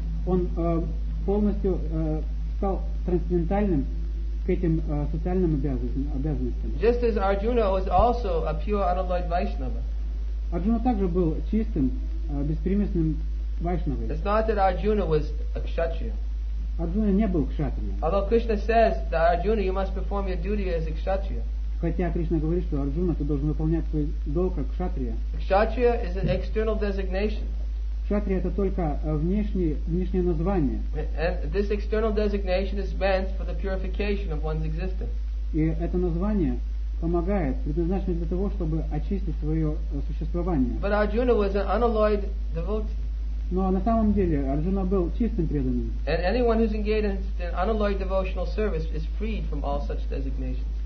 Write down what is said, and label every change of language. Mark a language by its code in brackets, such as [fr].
[ru] Он полностью стал трансцендентальным к этим социальным обязанностям. [en] Just as Arjuna was also a pure unalloyed Vaishnava. [ru] Арджуна также был чистым, беспримесным вайшнавой. [en] It's not that Arjuna was a kshatriya. [ru] Арджуна не был кшатрием. [en] Although Krishna says that Arjuna, you must perform your duty as a kshatriya. [ru] Хотя Кришна говорит, что Арджуна, ты должен выполнять свой долг как кшатрия. [en] Кшатрия is an external designation. [ru] Кшатрия это только внешнее название. [en] And this external designation is meant for the purification of one's existence. [ru] И это название помогает, предназначено для того, чтобы очистить свое существование. [en] But Arjuna was an unalloyed devotee. [ru] Но на самом деле Арджуна был чистым преданным. [en] And anyone who's engaged in unalloyed devotional service is freed from all such designations.